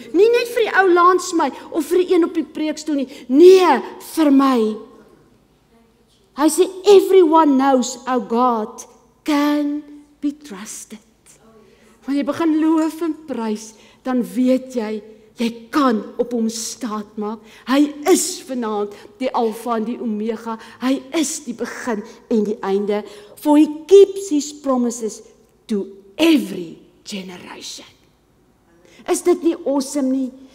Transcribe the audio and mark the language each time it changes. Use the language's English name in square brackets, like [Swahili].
[Afrikaans] Nie net vir die ou laans my, of vir die een op die preekstoel nie, nee, vir my. Hy sê, [English] everyone knows our God can be trusted. [Afrikaans] Wanneer jy begin loof en prys, dan weet jy, jy kan op hom staat maak. Hy is vanaand die Alfa en die Omega. Hy is die begin en die einde. [English] For he keeps his promises to every generation. [Afrikaans] Is dit nie awesome nie?